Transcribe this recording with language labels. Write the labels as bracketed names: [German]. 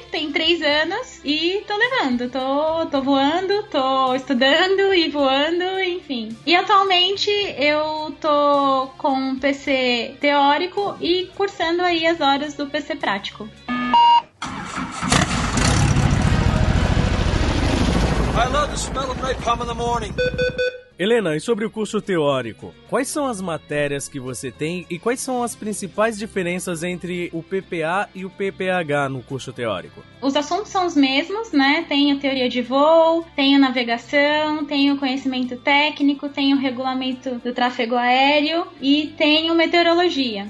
[Portuguese] Tem 3 anos e tô levando. Tô voando, tô estudando e voando, enfim. E atualmente eu tô com PC teórico e cursando aí as horas do PC prático. [English] I love the smell of napalm in the morning. [Portuguese] Helena, e sobre o curso teórico, quais são as matérias que você tem e quais são as principais diferenças entre o PPA e o PPH no curso teórico? Os assuntos são os mesmos, né? Tenho teoria de voo, tenho navegação, tenho conhecimento técnico, tenho regulamento do tráfego aéreo e tenho meteorologia.